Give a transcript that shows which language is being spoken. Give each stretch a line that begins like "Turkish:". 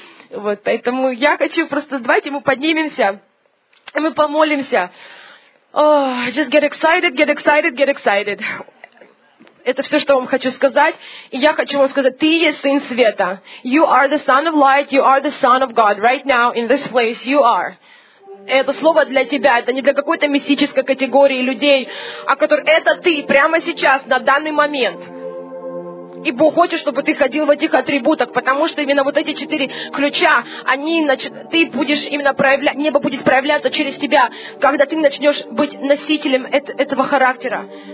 Russian: Вот, поэтому я хочу просто, давайте мы поднимемся, и мы помолимся.
English: Oh, just get excited, get excited, get excited.
Russian: Это все, что вам хочу сказать. И я хочу вам сказать, ты есть Сын Света.
English: You are the Son of Light, you are the Son of God. Right now, in this place, you are.
Russian: Это слово для тебя, это не для какой-то мистической категории людей, а который, это ты прямо сейчас, на данный момент. И Бог хочет, чтобы ты ходил в этих атрибутах, потому что именно вот эти четыре ключа, они, значит, ты будешь именно проявлять, небо будет проявляться через тебя, когда ты начнешь быть носителем этого характера.